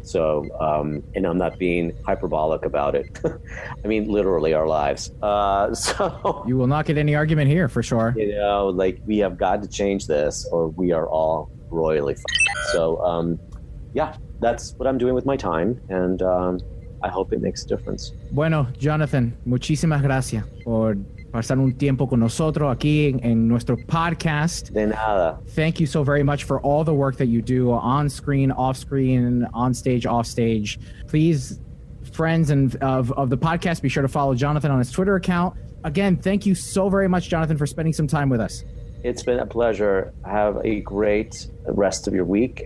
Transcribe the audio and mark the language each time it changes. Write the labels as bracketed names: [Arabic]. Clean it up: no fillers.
[English] So, and I'm not being hyperbolic about it. I mean, literally our lives. You will not get any argument here for sure. You know, like, we have got to change this or we are all royally fucked. So, yeah. That's what I'm doing with my time, and I hope it makes a difference. [Spanish] Bueno, Jonathan, muchísimas gracias por pasar un tiempo con nosotros aquí en nuestro podcast. De nada. [English] Thank you so very much for all the work that you do on screen, off screen, on stage, off stage. Please, friends and of the podcast, be sure to follow Jonathan on his Twitter account. Again, thank you so very much, Jonathan, for spending some time with us. It's been a pleasure. Have a great rest of your week.